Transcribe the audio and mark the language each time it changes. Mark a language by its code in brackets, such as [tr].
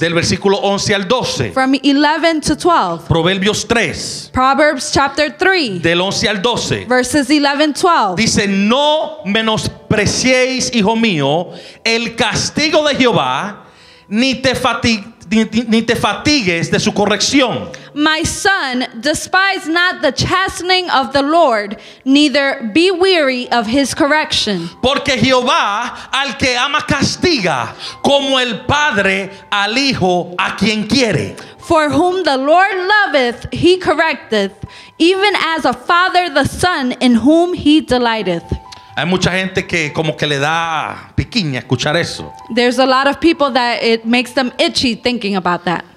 [es] del versículo 11 al 12, [en] from 11 to 12, [es] Proverbios 3, [en] Proverbs chapter 3, [es] del 11 al 12, [en] verses 11-12, [es] dice, no menospreciéis, hijo mío, el castigo de Jehová, ni te fatigues. Ni te fatigues de su corrección. [en] My son, despise not the chastening of the Lord, neither be weary of his correction. [es] Porque Jehová al que ama castiga, como el padre al hijo a quien quiere. [en] For whom the Lord loveth, he correcteth, even as a father the son in whom he delighteth. [es] Hay mucha gente que como que le da piquiña escuchar eso. [en] There's a lot of people that it makes them itchy thinking about that.